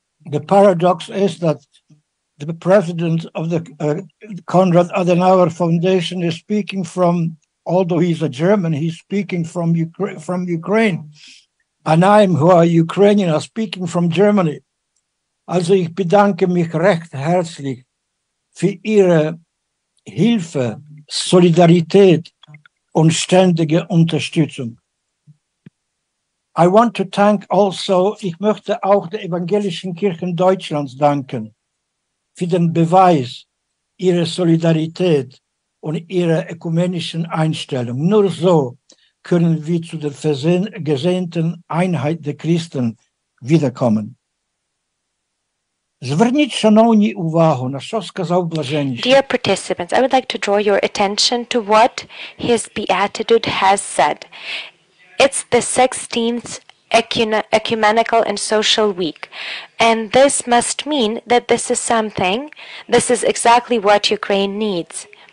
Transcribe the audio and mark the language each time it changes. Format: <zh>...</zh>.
<en>The paradox is that the president of the Konrad Adenauer Foundation is speaking from, although he's a German, he's speaking from Ukraine. And I'm, who are Ukrainian, are speaking from Germany.</en> <de>Also ich bedanke mich recht herzlich für Ihre Hilfe, Solidarität und ständige Unterstützung.</de> <en>I want to thank also,</en> <de>ich möchte auch der Evangelischen Kirchen Deutschlands danken für den Beweis ihrer Solidarität und ihrer ökumenischen Einstellung. Nur so können wir zu der gesehnten Einheit der Christen wiederkommen.</de> <uk>Зверніть, шановні, увагу, на що сказав Блаженніший.</uk> <en>Dear participants, I would like to draw your attention to what his beatitude has said. It's the 16th Ecumenical and Social Week. And this must mean that this is something, this is exactly what Ukraine needs.</en>